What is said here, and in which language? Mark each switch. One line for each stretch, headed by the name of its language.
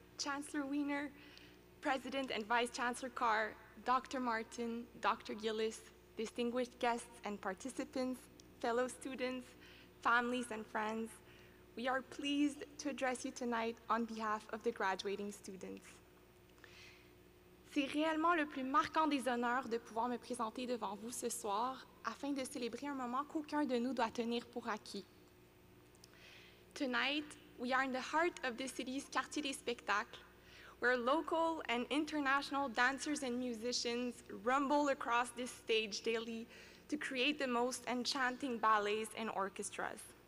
English: Chancellor Wiener, President and Vice Chancellor Carr, Dr. Martin, Dr. Gillis, distinguished guests and participants, fellow students, families and friends, we are pleased to address you tonight on behalf of the graduating students.
French: C'est réellement le plus marquant des honneurs de pouvoir me présenter devant vous ce soir afin de célébrer un moment qu'aucun de nous doit tenir pour acquis.
English: Tonight, we are in the heart of the city's Quartier des Spectacles, where local and international dancers and musicians rumble across this stage daily to create the most enchanting ballets and orchestras.